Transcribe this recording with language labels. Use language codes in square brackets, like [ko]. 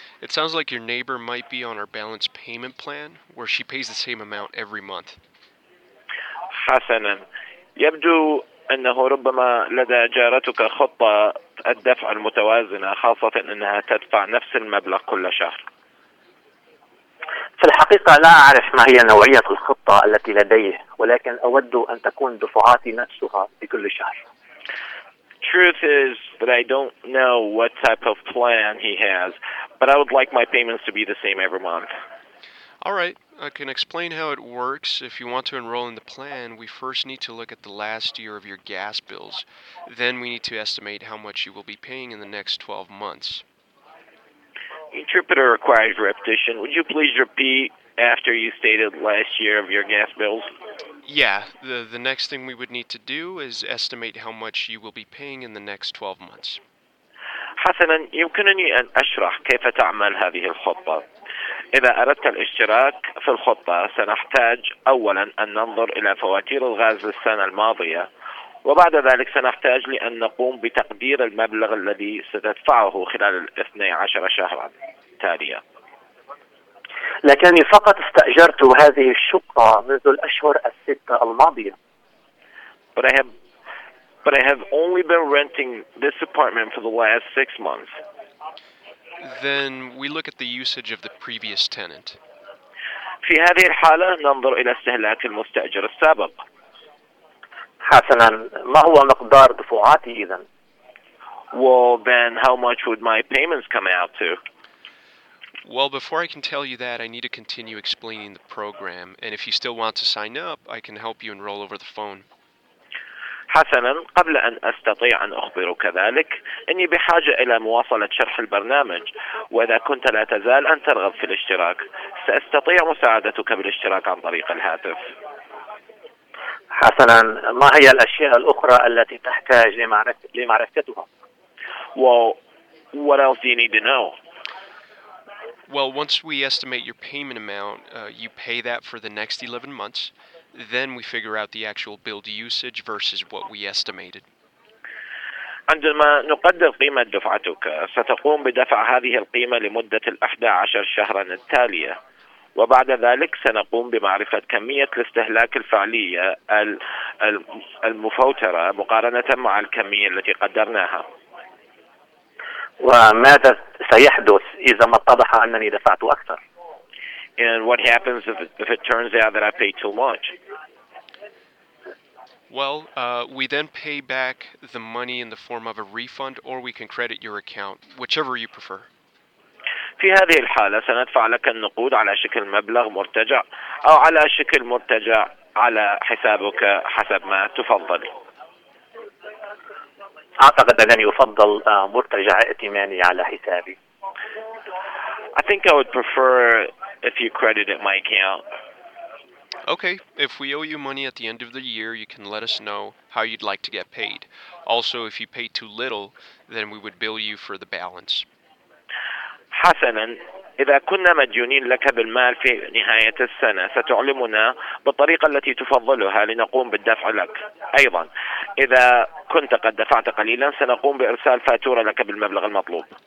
[en] It sounds like your neighbor might be on our balance payment plan, where she pays the same amount every month. [ar] حسناً. يبدو أنه ربما لدى جارتك خطة الدفع المتوازنة خاصة أنها تدفع نفس المبلغ كل شهر. في الحقيقة لا أعرف ما هي نوعية الخطة التي لديه، ولكن أود أن تكون دفعاتي نفسها بكل شهر. [en] Truth is that I don't know what type of plan he has, but I would like my payments to be the same every month. All right, I can explain how it works. If you want to enroll in the plan, we first need to look at the last year of your gas bills. Then we need to estimate how much you will be paying in the next 12 months. Interpreter requires repetition. Would you please repeat after you stated last year of your gas bills? Yeah, the next thing we would need to do is estimate how much you will be paying in the next 12 months. [ar] حسناً، يمكنني أن أشرح كيف تعمل هذه الخطة. إذا أردت الاشتراك في الخطة، سنحتاج أولاً أن ننظر إلى فواتير الغاز للسنة الماضية، وبعد ذلك سنحتاج لأن نقوم بتقدير المبلغ الذي ستدفعه خلال 12 شهراً تالية. لكني فقط استأجرت هذه الشقة منذ الأشهر الستة الماضية. [en] But I have only been renting this apartment for the last 6 months. Then we look at the usage of the previous tenant. [ar] في هذه الحالة ننظر إلى استهلاك المستأجر السابق. حسناً، ما هو مقدار دفعاتي إذن؟ [en] Well, then how much would my payments come out to? Well, before I can tell you that, I need to continue explaining the program. And if you still want to sign up, I can help you enroll over the phone. [ar] حسناً، قبل أن أستطيع أن أخبرك ذلك، إني بحاجة إلى مواصلة شرح البرنامج. وإذا كنت لا تزال أن ترغب في الاشتراك، سأستطيع مساعدتك بالاشتراك عن طريق الهاتف. حسناً، ما هي الأشياء الأخرى التي تحتاج لمعرفتها؟ [en] Well, what else do you need to know? Well, once we estimate your payment amount, you pay that for the next 11 months. Then we figure out the actual bill usage versus what we estimated. [ar] عندما نقدر قيمة دفعتك، ستقوم بدفع هذه القيمة لمدة 11 شهراً التالية. وبعد ذلك سنقوم بمعرفة كمية الاستهلاك الفعلية المفوترة مقارنة مع الكمية التي قدرناها. وماذا سيحدث إذا ما اتضح أنني دفعت أكثر؟ [en] And what happens if it turns out that I pay too much? Well, we then pay back the money in the form of a refund, or we can credit your account, whichever you prefer. [ar] في هذه الحالة سندفع لك النقود على شكل مبلغ مرتجع أو على شكل مرتجع على حسابك حسب ما تفضل. أعتقد أنني أفضل مرتجع ائتماني على حسابي. [en] I think I would prefer if you credited my account. Okay, if we owe you money at the end of the year, you can let us know how you'd like to get paid. Also, if you pay too little, then we would bill you for the balance. [ar] حسناً، إذا كنا مديونين لك بالمال في نهاية السنة، ستعلمنا بالطريقة التي تفضلها لنقوم بالدفع لك. أيضاً، إذا كنت قد دفعت قليلاً، سنقوم بإرسال فاتورة لك بالمبلغ المطلوب.